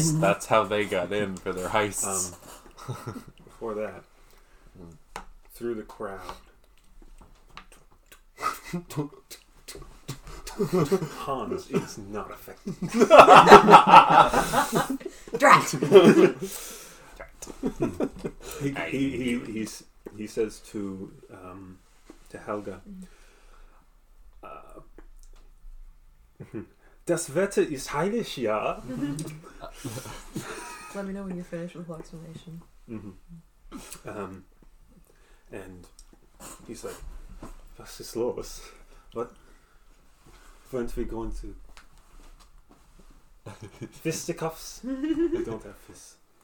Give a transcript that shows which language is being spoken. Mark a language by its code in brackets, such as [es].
[en] That's how they got in for their heist. Before that, through the crowd, Hans is not affected. Drat! He says to Helga, [de] Das Wetter ist heilig, ja? [en] Let me know when you're finished with the explanation. Mm-hmm. And he's like, [de] was ist los? [en] What? Weren't we going to fisticuffs? We don't have fists.